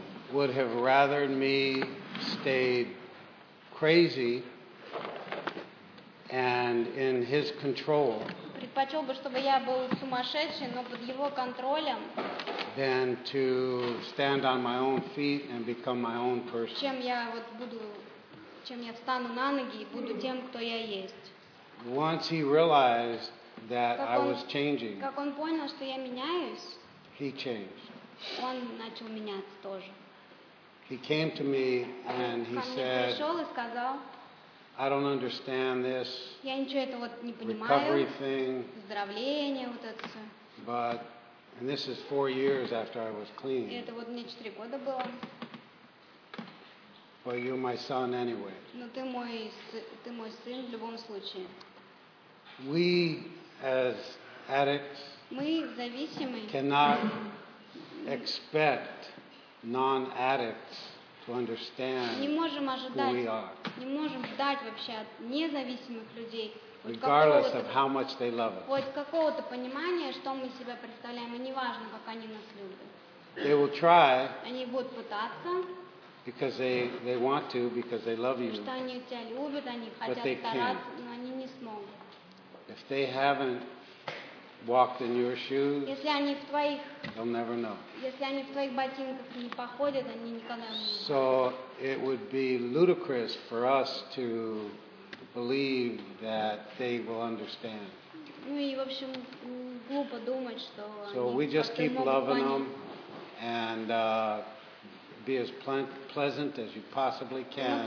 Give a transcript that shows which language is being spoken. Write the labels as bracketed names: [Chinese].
[English] would have rather me stayed crazy and in his control [Russian] предпочел бы, чтобы я был сумасшедший, но под его контролем [English] than to stand on my own feet and become my own person [Russian] чем я вот буду чем я встану на ноги и буду тем, кто я есть. [English] Once he realized that I was changing, [Russian] как он понял, что я меняюсь, [English] he changed. [Russian] Он начал меняться тоже. [English] He came to me and he said, I don't understand this recovery thing, [Russian] выздоровление вот это все. [English] But, and this is 4 years after I was clean. [Russian] И это вот мне 4 года было. [English] But you're my son anyway. [Russian] Но ты мой сын в любом случае. [English] We as addicts [Russian] мы зависимые [English] cannot expect non-addicts to understand [Russian] не можем ожидать, [English] who we are. [Russian] Не можем ждать вообще от независимых людей [English] regardless of how much they love us. [Russian] Хоть какого-то понимания, что мы себя представляем, и неважно, как они нас любят. [English] They will try [Russian] они будут пытаться [English] because they want to, because they love you. [Russian] Потому что они тебя любят, они хотят стараться, но они не смогут. [English] If they haven't walked in your shoes, [Russian] если они в твоих, [English] they'll never know. [Russian] Если они в твоих ботинках не походят, они никогда не. [English] So it would be ludicrous for us to believe that they will understand. [Russian] Ну и в общем глупо думать, что. [English] So we just keep loving them and be as pleasant as you possibly can.